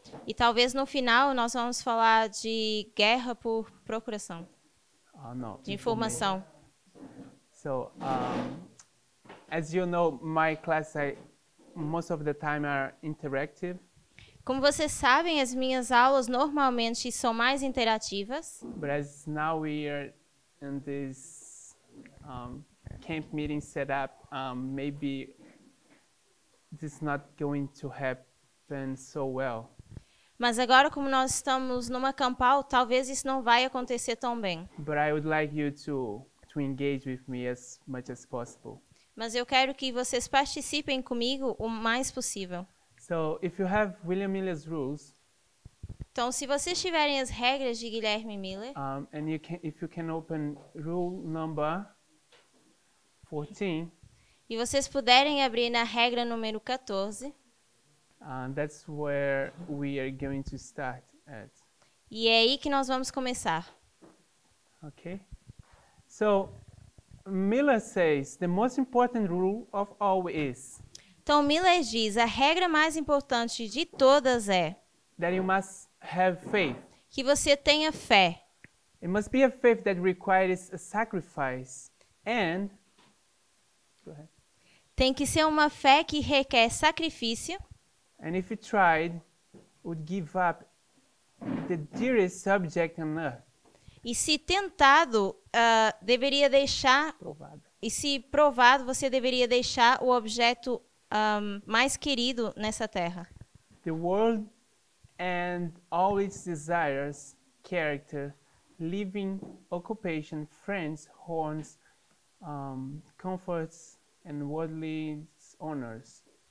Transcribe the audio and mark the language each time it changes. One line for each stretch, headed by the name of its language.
Portuguese: E talvez no final nós vamos falar de guerra por procuração. De informação.
English: So, as you know, my class most of the time are interactive.
Portuguese: Como vocês sabem, as minhas aulas normalmente são mais interativas.
English: But as now we are in this camp meeting setup, maybe this is not going to happen so well.
Portuguese: Mas agora, como nós estamos numa campal, talvez isso não vai acontecer tão bem.
English: But I would like you to engage with me as much as possible.
Portuguese: Mas eu quero que vocês participem comigo o mais possível.
English: So, if you have William Miller's rules,
Portuguese: então, se vocês tiverem as regras de Guilherme Miller,
English: And you can, if you can open rule number 14,
Portuguese: e vocês puderem abrir na regra número 14,
English: That's where we are going to start at.
Portuguese: E é aí que nós vamos começar.
English: Okay. So, Miller says, the most important rule of all is...
Portuguese: Então, Miller diz, a regra mais importante de todas é...
English: That you must have faith.
Portuguese: Que você tenha fé.
English: It must be a faith that requires a sacrifice and... Go ahead.
Portuguese: Tem que ser uma fé que requer sacrifício.
English: And if you tried, would give up the dearest subject on earth.
Portuguese: E se tentado, deveria deixar... Provado. E se provado, você deveria deixar o objeto mais querido nessa terra.
English: The world and all its desires, character, living, occupation, friends, homes, comforts, and worldly honors.